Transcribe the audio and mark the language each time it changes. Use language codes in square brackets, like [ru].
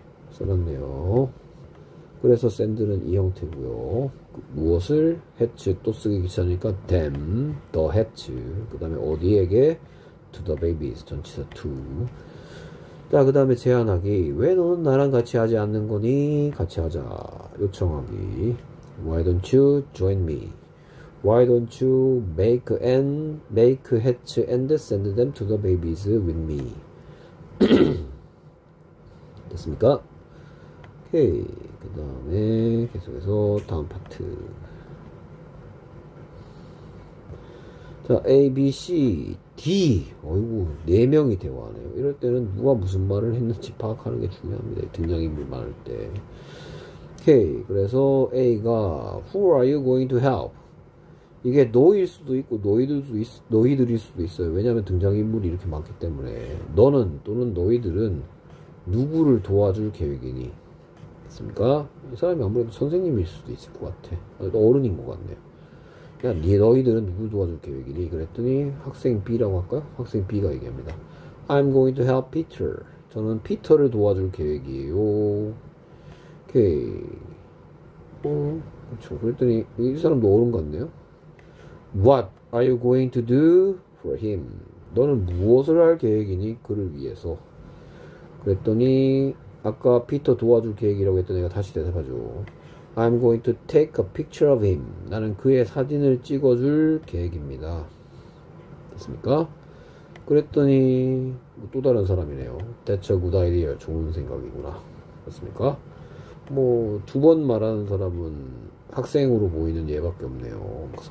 [ko] 써놨네요. 그래서 send는 이 형태고요. 무엇을 hatch 또 쓰기 귀찮으니까 [en] them, the hatch. [ko] 그 다음에 어디에게? [en] To the babies. [ko] 전치사 to. 자, 그 다음에 제안하기. 왜 너는 나랑 같이 하지 않는 거니? 같이 하자. 요청하기. [en] Why don't you join me? Why don't you make hatch and send them to the babies with me? [ko] 됐습니까? 오케이. 그 다음에 계속해서 다음 파트. 자, A, B, C, D. 어이구, 네 명이 대화하네요. 이럴 때는 누가 무슨 말을 했는지 파악하는 게 중요합니다. 등장인물 많을 때. 오케이. 그래서 A가 [en] Who are you going to help? [ko] 이게 너일 수도 있고 너희들일 수도 있어요. 왜냐하면 등장인물이 이렇게 많기 때문에 너는 또는 너희들은 누구를 도와줄 계획이니? 있습니까? 이 사람이 아무래도 선생님일 수도 있을 것 같아. 어른인 것 같네요. 야, 너희들은 누구 도와줄 계획이니? 그랬더니 학생 B라고 할까요? 학생 B가 얘기합니다. [en] I'm going to help Peter. [ko] 저는 피터를 도와줄 계획이에요. 오케이. 그렇죠. 그랬더니 이 사람도 어른 같네요. [en] What are you going to do for him? [ko] 너는 무엇을 할 계획이니? 그를 위해서. 그랬더니 아까 피터 도와줄 계획이라고 했던 애가 다시 대답하죠. [en] I'm going to take a picture of him. [ko] 나는 그의 사진을 찍어줄 계획입니다. 됐습니까? 그랬더니 또 다른 사람이네요. [en] That's a good idea. [ko] 좋은 생각이구나. 맞습니까? 뭐두번 말하는 사람은 학생으로 보이는 얘밖에 없네요.